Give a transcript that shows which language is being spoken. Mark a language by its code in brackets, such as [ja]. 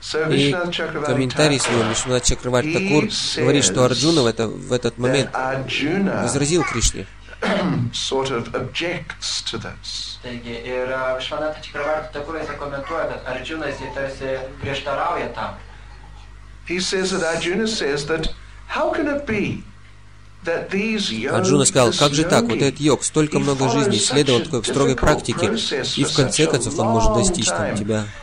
[ru] И комментарий свой Вишнунат Чакраварти Такур говорит, что Арджуна в этот момент возразил Кришне. [en] Sort of objects to this. He says that Arjuna says that how can it be that these yogis, [ru] Арджуна сказал, как же так, вот этот йог столько много жизней следовал такой строгой практике, и в конце концов он может достичь там тебя.